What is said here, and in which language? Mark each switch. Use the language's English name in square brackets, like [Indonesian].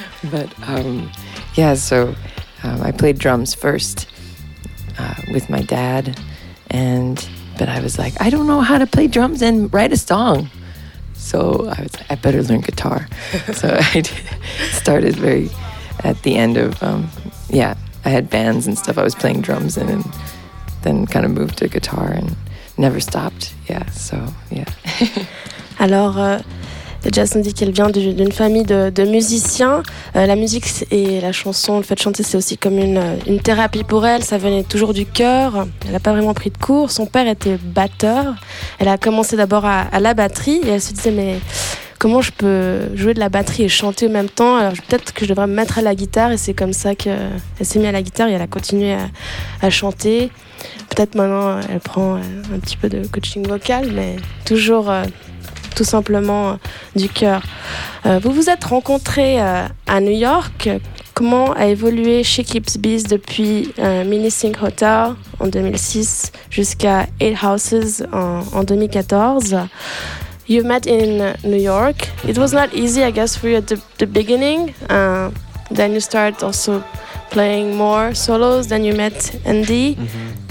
[English] But I played drums first with my dad, but I was like, I don't know how to play drums and write a song. So I was like, I better learn guitar. So I started very at the end of, I had bands and stuff I was playing drums in, and then kind of moved to guitar and never stopped. Yeah, so yeah. [French] Alors, Jess nous dit qu'elle vient d'une famille de musiciens. La musique et la chanson, le fait de chanter, c'est aussi comme une thérapie pour elle. Ça venait toujours du cœur. Elle n'a pas vraiment pris de cours. Son père était batteur. Elle a commencé d'abord à la batterie et elle se disait, mais comment je peux jouer de la batterie et chanter en même temps? Alors peut-être que je devrais me mettre à la guitare. Et c'est comme ça qu'elle s'est mise à la guitare et elle a continué à chanter. Peut-être maintenant, elle prend un petit peu de coaching vocal, mais toujours... tout simplement du cœur. Vous vous êtes rencontrés à New York. Comment a évolué She Keeps Bees depuis Mini Sink Hotel en 2006 jusqu'à Eight Houses en 2014? [English] You met in New York. It was not easy, I guess, for you at the beginning. Then you start also playing more solos. Then you met Andy. Mm-hmm.